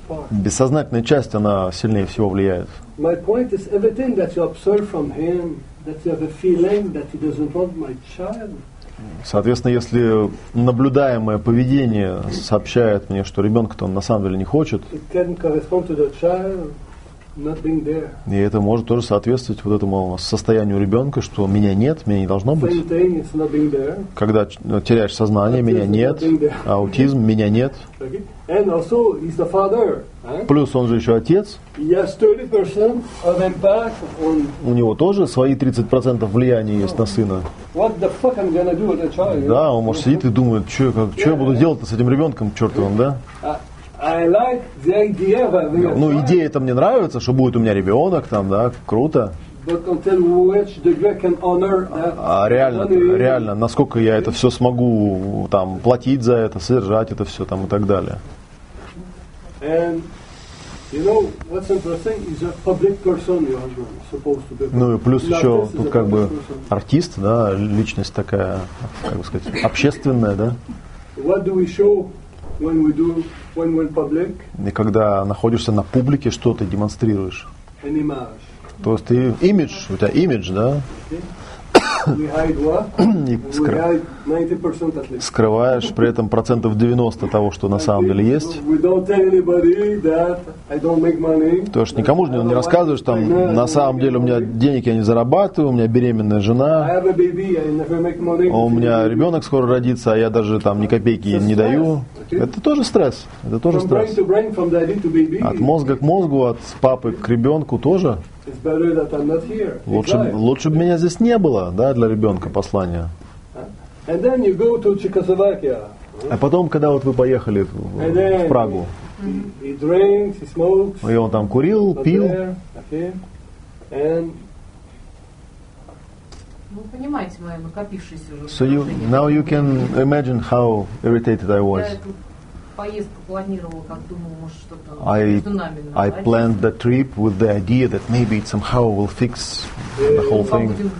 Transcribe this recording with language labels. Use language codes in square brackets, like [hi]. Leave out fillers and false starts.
[ru] Бессознательная часть, она сильнее всего влияет. [en] My point is everything that you observe from him, that you have a feeling that he doesn't want my child. [ru] Соответственно, если наблюдаемое поведение сообщает мне, что ребенка-то он на самом деле не хочет, [en] it can correspond to the child not being there. [ru] И это может тоже соответствовать вот этому состоянию ребенка, что меня нет, меня не должно быть. [en] Same thing, it's not being there. [ru] Когда теряешь сознание, меня нет, аутизм, меня нет. [en] Okay. And also, he's the father. [ru] Плюс он же еще отец. У него тоже свои 30% влияния есть на сына. Да, он может сидит и думает, что я буду делать-то с этим ребенком, чертовым, да? Ну, идея-то мне нравится, что будет у меня ребенок там, да, круто. А реально, насколько я это все смогу там платить за это, содержать это все там и так далее. [en] You know, what's interesting is a public person, you are supposed to be. [ru] Ну и плюс еще тут как бы артист, да, личность такая, как бы сказать, общественная, да? [en] What do we show when we do when we're public? [ru] И когда находишься на публике, что ты демонстрируешь? [en] An image. [ru] То есть ты имидж, у тебя имидж, да? [en] Okay. We hide what? We hide 90% at least. [ru] Скрываешь при этом процентов 90 того, что на самом деле есть. [en] We don't tell anybody that I don't make money. [ru] То есть никому же не рассказываешь, там на самом деле у меня денег я не зарабатываю, у меня беременная жена. [en] I have a baby, I never make money. [ru] У меня ребенок скоро родится, а я даже там ни копейки не даю. [en] Okay. [ru] Это тоже стресс. Это тоже стресс. [en] From brain to brain, from daddy to baby. [ru] От мозга к мозгу, от папы к ребенку тоже. [en] It's better that I'm not here. [ru] Лучше бы меня здесь не было, да, для ребенка послание. [en] And then you go to Czechoslovakia. [ru] А потом, когда вот вы поехали в Прагу, [en] he drinks, he smokes, [ru] и он там курил, пил. [en] Okay. And [ru] вы понимаете, мое накопившееся уже. [en] So you now you can imagine how irritated I was. I planned the trip with the idea that maybe it somehow will fix the whole thing.